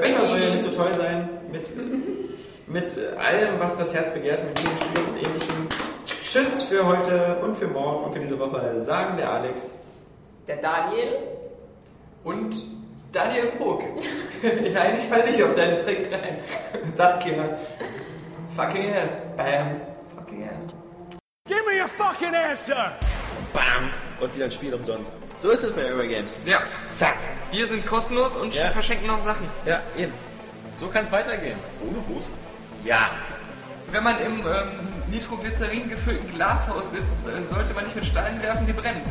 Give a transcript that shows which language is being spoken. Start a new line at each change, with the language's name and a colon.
German: Wetter soll ja nicht so toll sein. Mit allem, was das Herz begehrt, mit diesem Spiel und ähnlichem. Tschüss für heute und für morgen und für diese Woche. Sagen der Alex, der Daniel und Daniel Pog. Eigentlich fall ich auf deinen Trick rein.
English: Saskia. Fucking ass. Bam. Fucking ass. Give me your fucking answer. Bam.
German: Und wieder ein Spiel umsonst. So ist es bei Aero Games. Ja. Zack. Wir sind kostenlos und verschenken noch Sachen. Ja, eben. So kann es weitergehen. Ohne Hose. Ja. Wenn man im Nitroglycerin gefüllten Glashaus sitzt, sollte man nicht mit Steinen werfen, die brennen.